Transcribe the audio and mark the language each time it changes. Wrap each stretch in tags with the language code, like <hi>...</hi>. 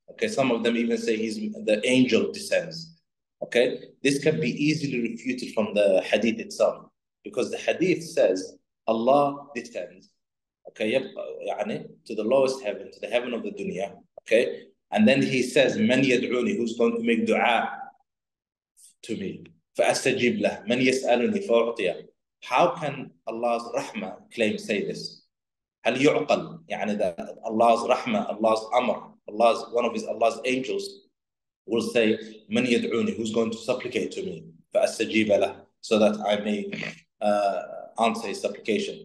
<en>Okay, some of them even say He's the angel descends. Okay, this can be easily refuted from the hadith itself, because the hadith says Allah descends, okay, يعني, to the lowest heaven, to the heaven of the dunya, okay. And then he says,</en> <ar>من يدعوني,</ar> <en>who's going to make dua to me?</en> <ar>فأستجيب له, من يسألني فأعطيه.</ar> <en>How can Allah's rahmah claim say this?</en> <ar>هل يعقل,</ar> <en>يعني that Allah's rahmah, Allah's amr, Allah's, one of his, Allah's angels will say,</en> <ar>من يدعوني,</ar> <en>who's going to supplicate to me?</en> <ar>فأستجيب له,</ar> <en>so that I may answer his supplication.</en>